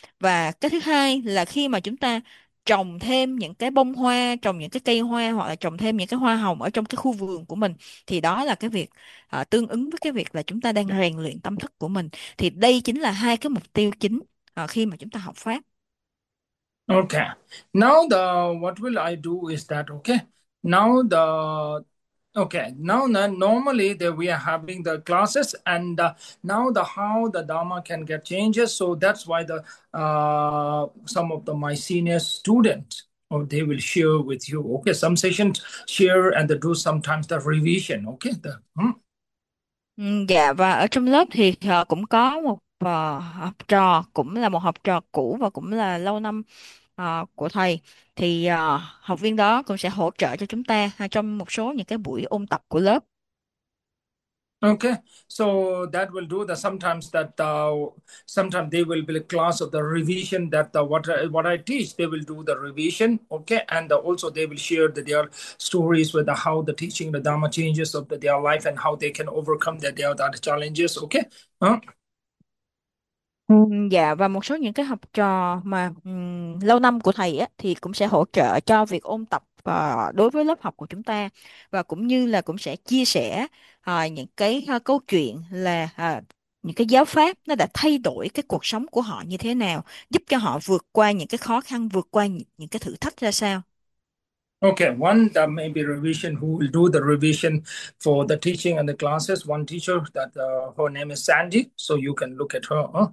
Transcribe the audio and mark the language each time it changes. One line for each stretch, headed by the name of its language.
Vietnamese: Và cái thứ hai là khi mà chúng ta trồng thêm những cái bông hoa, trồng những cái cây hoa, hoặc là trồng thêm những cái hoa hồng ở trong cái khu vườn của mình, thì đó là cái việc tương ứng với cái việc là chúng ta đang rèn luyện tâm thức của mình. Thì đây chính là hai cái mục tiêu chính khi mà chúng ta học pháp.
English: Okay. Now the what will I do is that okay? Now the okay. Now then normally that we are having the classes and now the how the Dharma can get changes. So that's why the some of the my senior students or they will share with you. Okay, some sessions share and do sometimes the revision. Okay, the
Vietnamese: Dạ, và ở trong lớp thì họ cũng có một học trò, cũng là một học trò cũ và cũng là lâu năm của thầy, thì học viên đó cũng sẽ hỗ trợ cho chúng ta trong một số những cái buổi ôn tập của lớp.
English: Okay, so that will do the sometimes that sometimes they will be a class of the revision that the what I teach they will do the revision okay and also they will share the, their stories with the, how the teaching the Dharma changes of the, their life and how they can overcome their challenges okay
Vietnamese: Dạ, và một số những cái học trò mà lâu năm của thầy á, thì cũng sẽ hỗ trợ cho việc ôn tập đối với lớp học của chúng ta, và cũng như là cũng sẽ chia sẻ những cái câu chuyện là những cái giáo pháp nó đã thay đổi cái cuộc sống của họ như thế nào, giúp cho họ vượt qua những cái khó khăn, vượt qua những cái thử thách ra sao.
English: Okay, one that maybe revision who will do the revision for the teaching and the classes. One teacher that her name is Sandy, so you can look at her.